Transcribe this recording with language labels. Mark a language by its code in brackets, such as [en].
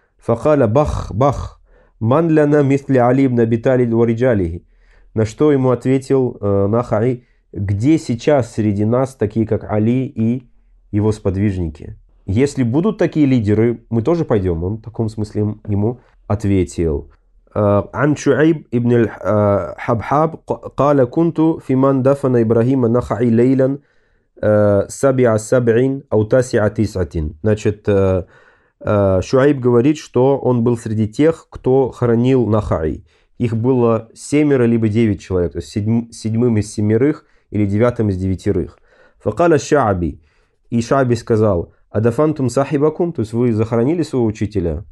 [ar] Фахала бах, бах, манляна мисли Али ибн Аби Талиб ва риджалихи. [ru] На что ему ответил Нахаи, где сейчас среди нас такие, как Али и его сподвижники? Если будут такие лидеры, мы тоже пойдем. Он в таком смысле ему ответил. [ar] عن شعيب ابن الحبحاب قال كنت في من دفن إبراهيم النخعي ليلا سبع سبعين أو تاسع تسعة. [ru] Значит, Шуайб говорит, что он был среди тех, кто хоронил Нахаи. Их было семеро либо девять человек, то есть седьмым из семерых или девятым из девятерых. [ar] فقال الشعبي, [ru] и Шуайби сказал, [ar] أدفنتم صاحبكم, [ru] то есть вы захоронили своего учителя.